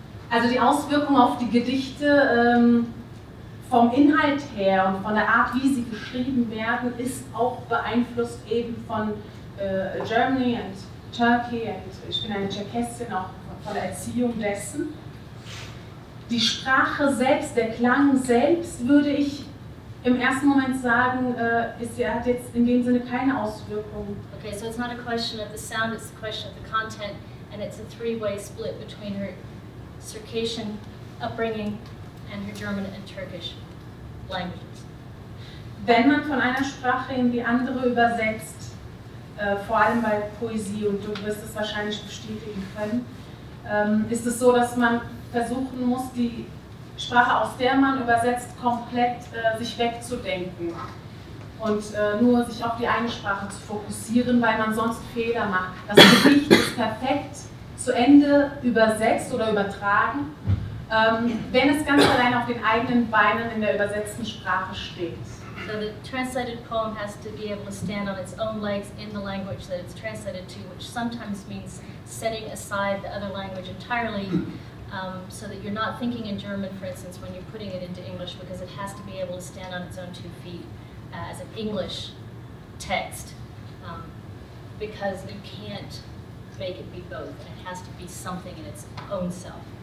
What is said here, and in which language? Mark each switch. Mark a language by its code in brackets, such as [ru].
[de] Also die Auswirkung auf die Gedichte vom Inhalt her und von der Art, wie sie geschrieben werden, ist auch beeinflusst eben von [en] Germany and Turkey, [de] und ich bin eine Tscherkessin, auch von der Erziehung dessen. Die Sprache selbst, der Klang selbst, würde ich im ersten Moment sagen, hat jetzt in dem Sinne keine Auswirkungen. [en] Okay, so it's not a question of the sound, it's a question of the content, and it's a three-way split between her Circassian upbringing and her German and Turkish languages. [de] Wenn man von einer Sprache in die andere übersetzt, vor allem bei Poesie, und du wirst es wahrscheinlich bestätigen können, ist es so, dass man versuchen muss, die Sprache, aus der man übersetzt, komplett sich wegzudenken und nur sich auf die eine Sprache zu fokussieren, weil man sonst Fehler macht. Das Gedicht ist perfekt zu Ende übersetzt oder übertragen, wenn es ganz allein auf den eigenen Beinen in der übersetzten Sprache steht. [en] So the translated poem has to be able to stand on its own legs in the language that it's translated to, which sometimes means setting aside the other language entirely, so that you're not thinking in German, for instance, when you're putting it into English, because it has to be able to stand on its own two feet as an English text, because you can't make it be both, and it has to be something in its own self.